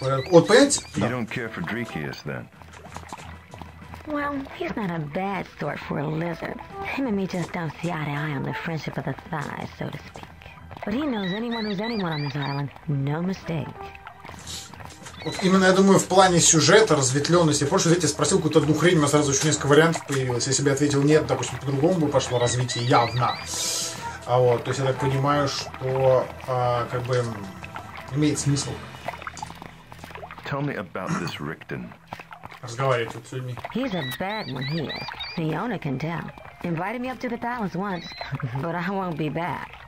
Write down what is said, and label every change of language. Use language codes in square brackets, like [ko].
[ru] Вот, понимаете? [en] You don't care for Drakeus, then? Well, he's not a bad sort for a lizard. Him and me just don't see eye to eye on the friendship of the thighs, so to speak. But he knows anyone who's anyone on this island, no mistake. [ru] Вот именно, я думаю, в плане сюжета, разветвленности. Помнишь, я тебя спросил какую-то одну хрень, у меня сразу еще несколько вариантов появилось. Если бы я ответил нет, допустим, по-другому бы пошло развитие явно. А вот, то есть я так понимаю, что как бы имеет смысл. [en] Tell me about this Rickton. [ru] Разговаривай тут с людьми. [en] He's a bad one here. The owner can tell. Invited me up to the palace once, but I won't be back.